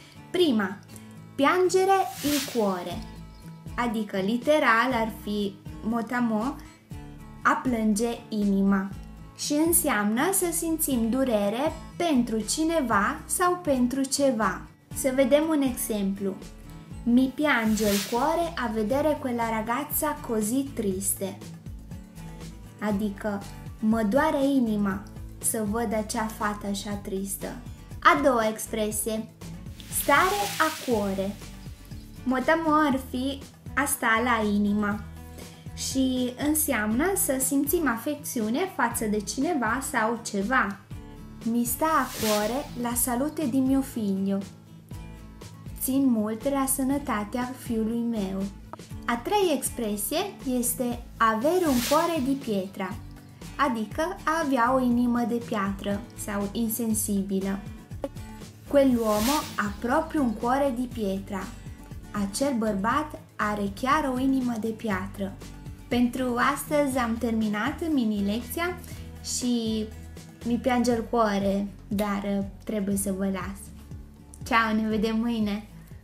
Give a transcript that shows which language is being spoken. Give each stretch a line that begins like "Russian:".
Romanian: Prima,
Italian: piangere il cuore,
Romanian: adică literal ar fi mot-a-mot, a plânge inima, și înseamnă să simțim durere pentru cineva sau pentru ceva. Să vedem un exemplu.
Italian: Mi piange il cuore a vedere quella ragazza così triste.
Romanian: Adică, mă doare inima să văd acea fată așa tristă. A doua expresie.
Italian: Stare a cuore.
Romanian: Mot-a-mot ar fi a sta la inima. Și înseamnă să simțim afecțiune față de cineva sau ceva.
Italian: Mi sta a cuore la salute di mio figlio.
Romanian: Țin mult la sănătatea fiului meu. A treia expresie este
Italian: avere un cuore di pietra,
Romanian: adică a avea o inimă de piatră sau insensibilă.
Italian: Quell'uomo ha proprio un cuore di pietra.
Romanian: Acel bărbat are chiar o inimă de piatră. Pentru astăzi am terminat mini-lecția și
Italian: mi piange il cuore,
Romanian: dar trebuie să vă las. Ciao, ne vedem mâine!